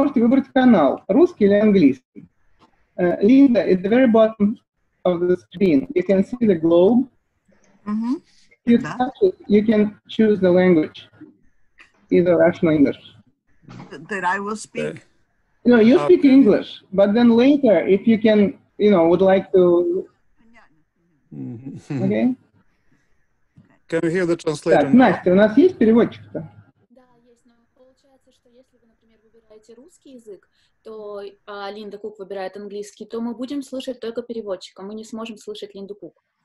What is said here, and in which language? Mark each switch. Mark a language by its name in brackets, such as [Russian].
[Russian] Апрельским международным научно-конференциям по проблемам развития экономики и общества. Переводчик, конференц он. Переводчик, вы с нами? [English] Are you with us? [Russian] Значит, смотрите, у вас внизу есть глобус. Между кнопкой чат и запись. Когда вы его на него нажмете, вы можете выбрать канал, русский или английский. [English] Linda, at the very bottom of the screen, you can see the globe. Mm-hmm. You, yeah. touch it, you can choose the language, either Russian or English. That I will speak? No, you speak English, but then later, if you can, you know, would like to... Mm-hmm. Okay? Can you hear the translator? [Russian] Так, Настя, у нас есть переводчик-то? Да, есть, но получается, что если вы, например, выбираете русский язык, то Линда Кук выбирает английский, то мы будем слышать только переводчика. Мы не сможем слышать Линду Кук.